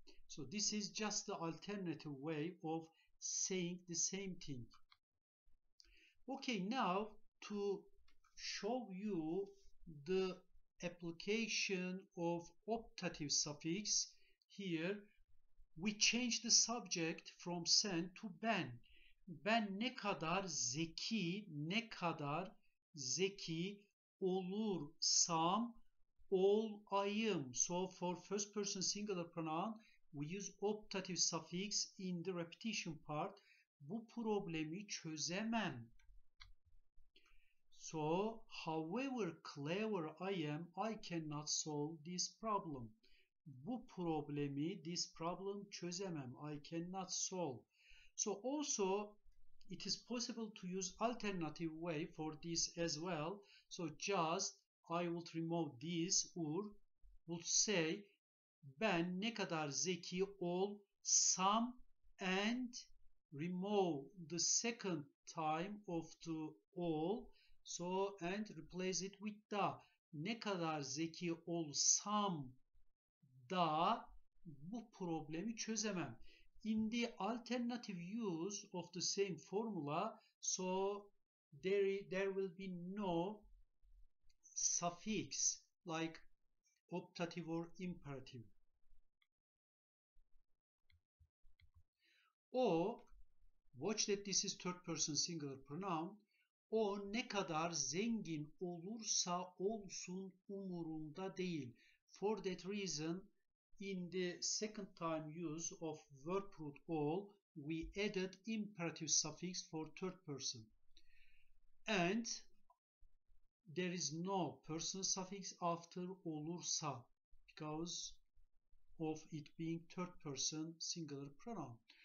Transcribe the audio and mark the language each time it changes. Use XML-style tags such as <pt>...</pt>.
<en>So this is just the alternative way of saying the same thing. Okay, now to show you the application of optative suffix, here we change the subject from sen to ben.</en> <tr>Ben ne kadar zeki, ne kadar zeki olursam olayım.</tr> <en>So for first person singular pronoun, use optative suffix in the repetition part.</en> <tr>Bu problemi çözemem.</tr> <en>So, however clever I am, I cannot solve this problem.</en> <tr>Bu problemi,</tr> <en>this problem</en> <tr>çözemem.</tr> <en>I cannot solve. So, also, it is possible to use alternative way for this as well. So, just I would remove this or would say, ben ne kadar zeki olsam and remove the second time of the all. So, and replace it with the.</en> <tr>Ne kadar zeki olsam da bu problemi çözemem.</tr> <en>In the alternative use of the same formula, so there will be no suffix like optative or imperative. O, watch that this is third person singular pronoun.</en> <tr>O ne kadar zengin olursa olsun umurumda değil.</tr> <en>For that reason, in the second time use of verb root all, we added imperative suffix for third person. And there is no person suffix after olursa because of it being third person singular pronoun.</en>